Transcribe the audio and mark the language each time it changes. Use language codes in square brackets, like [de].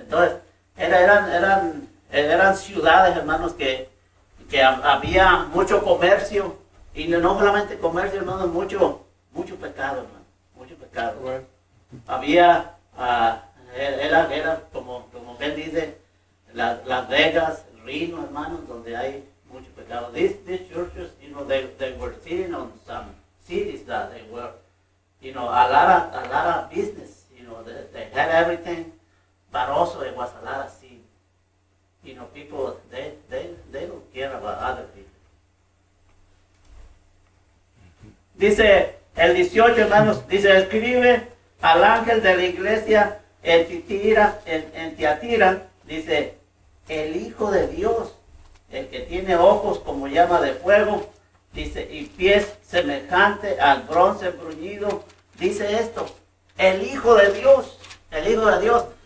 [es] Entonces, eran ciudades, hermanos, que había mucho comercio, y no solamente comercio, hermanos, mucho pecado, hermanos, mucho pecado. Bueno. Había, era como Ben dice, Las Vegas, Reno, hermanos, donde hay mucho pecado. [en] These churches, you know, they were sitting on some cities that they were, you know, a lot of business, you know, they had everything, but also it was a lot of sin. You know, people, they don't care about other people. [es] Dice el 18, hermanos, dice, escribe al ángel de la iglesia en Tiatira, dice, el Hijo de Dios, el que tiene ojos como llama de fuego, dice, y pies semejante al bronce bruñido, dice esto, el Hijo de Dios, el Hijo de Dios.